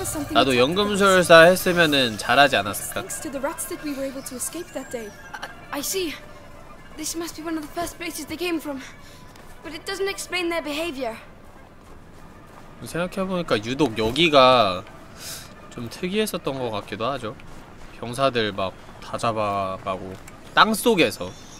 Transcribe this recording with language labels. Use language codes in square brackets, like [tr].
[ko] 나도 연금술사 했으면은 잘하지 않았을까? [en] Thanks to the rats that we were able to escape that day. I see. This must be one of the first places they came from. But it doesn't explain their behavior. [ko] 생각해보니까 유독 여기가 좀 특이했었던 것 같기도 하죠. 병사들 막 다 잡아가고 땅속에서.